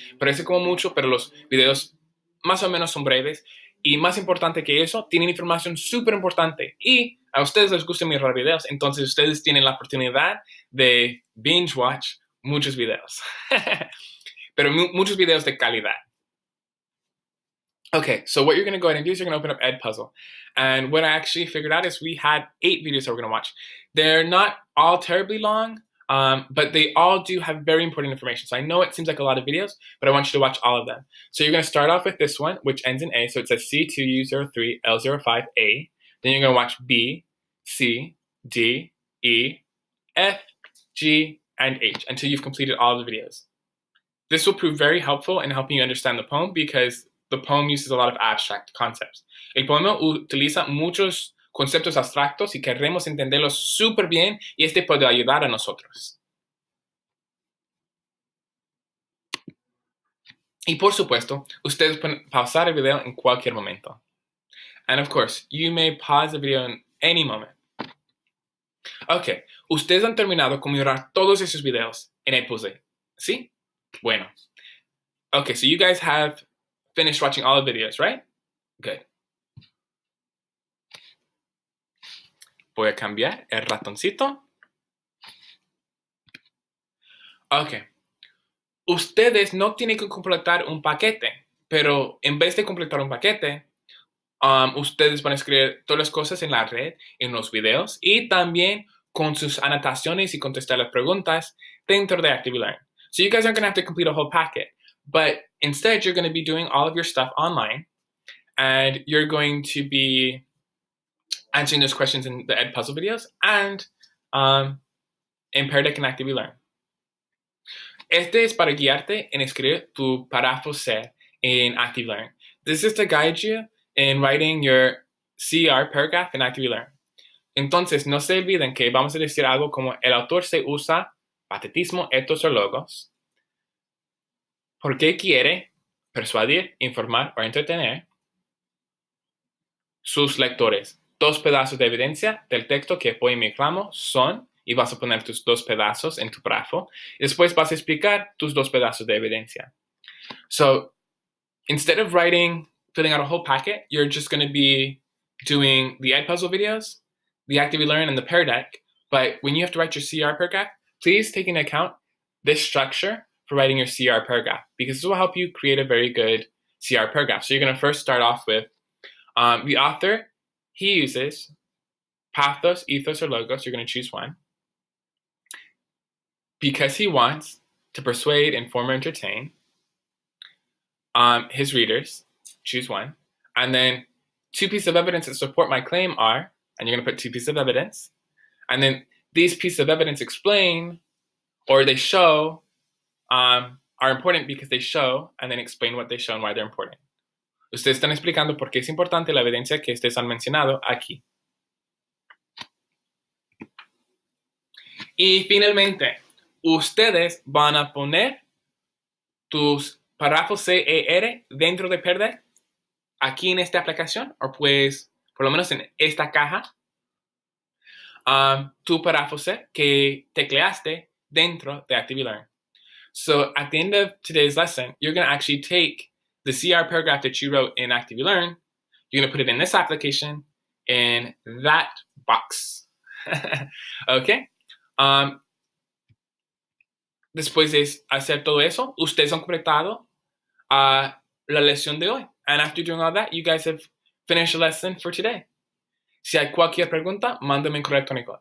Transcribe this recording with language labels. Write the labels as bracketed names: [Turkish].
[Spanish] Parece como mucho, pero los videos más o menos son breves. Y más importante que eso, tienen información súper importante. Y a ustedes les gusta mirar videos, entonces ustedes tienen la oportunidad de binge watch muchos videos. Pero muchos videos de calidad. [English] Okay, so what you're going to go ahead and do is you're going to open up EdPuzzle. And what I actually figured out is we had 8 videos that we're going to watch. They're not all terribly long, but they all do have very important information. So I know it seems like a lot of videos, but I want you to watch all of them. So you're going to start off with this one, which ends in A. So it says C2U03L05A. Then you're going to watch B, C, D, E, F, G, and H until you've completed all the videos. This will prove very helpful in helping you understand the poem because the poem uses a lot of abstract concepts. [Spanish] El poema utiliza muchos conceptos abstractos y queremos entenderlos súper bien y este puede ayudar a nosotros. Y por supuesto, ustedes pueden pausar el video en cualquier momento. [English] And of course, you may pause the video in any moment. [Spanish] Okay, ustedes han terminado con mirar todos esos videos en EdPuzzle, ¿sí? Bueno. [English] Okay, so you guys have finished watching all the videos, right? Good. [Spanish] Voy a cambiar el ratoncito. [English] Okay. [Spanish] Ustedes no tienen que completar un paquete, pero en vez de completar un paquete, ustedes van a escribir todas las cosas en la red, en los videos, y también con sus anotaciones y contestar las preguntas dentro de ActiveLearn. [English] So you guys aren't going to have to complete a whole packet. But instead, you're going to be doing all of your stuff online. and you're going to be answering those questions in the Ed Puzzle videos and in Pear Deck and Actively Learn. [Spanish] Este es para guiarte en escribir tu párrafo C in Actively Learn. [English] This is to guide you in writing your CR paragraph in Actively Learn. [Spanish] Entonces, no se olviden que vamos a decir algo como el autor se usa patetismo, etos o logos. ¿Por qué quiere persuadir, informar o entretener sus lectores? Dos pedazos de evidencia del texto que apoya mi reclamo son, y vas a poner tus dos pedazos en tu párrafo. Después vas a explicar tus dos pedazos de evidencia. [English] So, instead of writing, filling out a whole packet, you're just going to be doing the Edpuzzle videos, the Actively Learn, and the Pear Deck. But when you have to write your CR paragraph, please take into account this structure for writing your CR paragraph, because this will help you create a very good CR paragraph. So you're going to first start off with the author. He uses pathos, ethos, or logos. You're going to choose one. Because he wants to persuade, inform, or entertain his readers, choose one. And then two pieces of evidence that support my claim are, and you're going to put two pieces of evidence. And then these pieces of evidence explain, or they show, are important because they show, and then explain what they show and why they're important. [Spanish] Ustedes están explicando por qué es importante la evidencia que ustedes han mencionado aquí. Y finalmente, ustedes van a poner tus párrafos CER dentro de Pear Deck aquí en esta aplicación, o pues, por lo menos en esta caja, tu párrafo C que tecleaste dentro de Actively Learn. [English] So, at the end of today's lesson, you're going to actually take the CR paragraph that you wrote in Actively Learn, you're going to put it in this application, in that box. Okay? [Spanish] Después de hacer todo eso, ustedes han completado la lección de hoy. [English] And after doing all that, you guys have finished the lesson for today. [Spanish] Si hay cualquier pregunta, mándame un correo electrónico.